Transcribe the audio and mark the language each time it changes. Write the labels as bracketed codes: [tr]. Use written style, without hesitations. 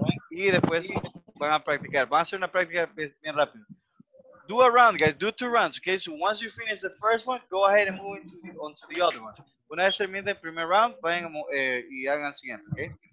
[es] Y después van a practicar, van a hacer una práctica bien rápido. [en] Do a round, guys, do two rounds, okay? So once you finish the first one, go ahead and move onto the other one. [es] Una vez terminen el primer round, vayan y hagan el siguiente, okay?